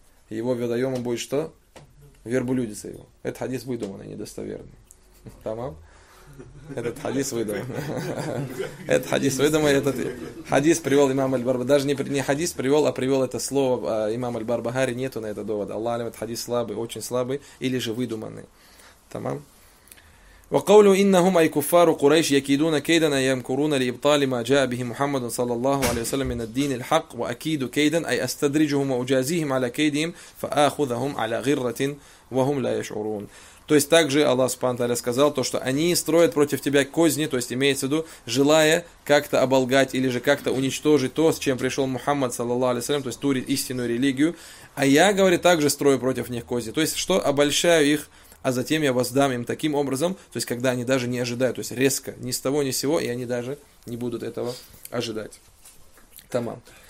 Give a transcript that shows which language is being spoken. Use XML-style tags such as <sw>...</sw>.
<ru>Его ведомо будет что? Верблюдица его. Этот хадис выдуманный, недостоверный. Тамам? Этот хадис выдуманный. Этот хадис выдуманный. Этот хадис привел имам Аль-Барбахари. Даже не хадис привел, а привел это слово имам Аль-Барбахари. Нету на это довода. Аллах алим, этот хадис слабый, очень слабый. Или же выдуманный. Тамам?</ru> <ar>وقولوا إنهم أي كفار قريش يكيدون كيدا يمكرون لإبطال ما جاء به محمد صلى الله عليه وسلم من الدين الحق وأكيد كيدا أي أستدرجهم وأجازيهم على كيدهم فآخذهم على غرة وهم لا يشعرون.</ar> <ru>То есть также Аллах Субхану Тааля сказал то, что они строят против тебя козни, то есть имеется в виду, желая как-то оболгать или же как-то уничтожить то, с чем пришел Мухаммад, саллаллаху алейхи ва саллям, то есть ту истинную религию. А я, говорит, также строю против них козни. То есть что? Обольщаю их, а затем я воздам им таким образом, то есть когда они даже не ожидают, то есть резко, ни с того ни с сего, и они даже не будут этого ожидать. Тамам.</ru>